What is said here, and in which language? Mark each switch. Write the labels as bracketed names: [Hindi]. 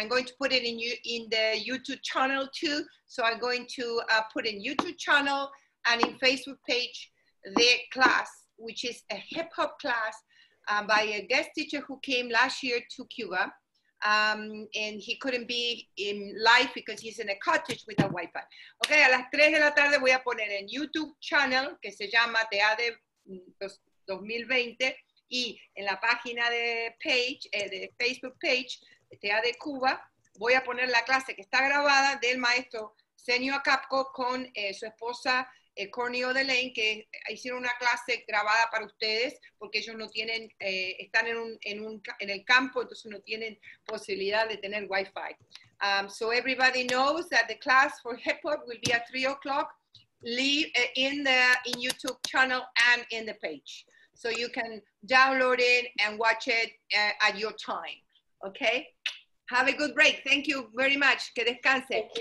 [English] I'm going to put it in the YouTube channel too, so I'm going to put in YouTube channel and in Facebook page the class, which is a hip-hop class by a guest teacher who came last year to Cuba. And he couldn't be in life because he's in a cottage with a Wi-Fi. [Spanish] Okay, a las 3 de la tarde voy a poner en YouTube channel que se llama Teade 2020 y en la página de page, de Facebook page, Teade Cuba, voy a poner la clase que está grabada del maestro Senio Acapco con su esposa Corneo Delane, que hicieron una clase grabada para ustedes, porque ellos no tienen, están en el campo, entonces no tienen posibilidad de tener Wi-Fi. [English] So everybody knows that the class for hip-hop will be at 3 o'clock, leave in YouTube channel and in the page. So you can download it and watch it at your time, okay? Have a good break. Thank you very much. [Spanish] Que descanse.